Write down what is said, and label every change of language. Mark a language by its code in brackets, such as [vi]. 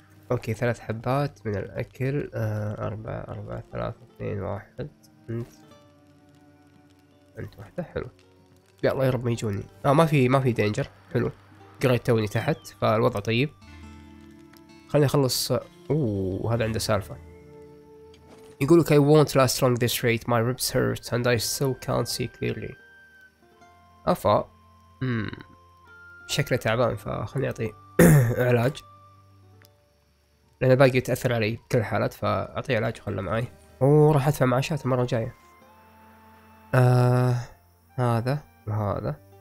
[ar] اوكي ثلاث حبات من الاكل. اربعة اربعة ثلاثة اثنين واحد. انت واحدة. حلو يا الله يا رب ما يجوني. ما في دينجر. حلو قريت توني تحت فالوضع طيب. خليني اخلص. اوه هذا عنده سالفة. يقولك [en] I won't last long this rate, my ribs hurt and I still can't see clearly. [ar] افا شكله تعبان، فخليني اعطيه علاج لأنه باقي يتأثر علي بكل الحالات، فأعطيه علاج وخله معي. وراح أدفع معاشات المرة الجاية. هذا وهذا.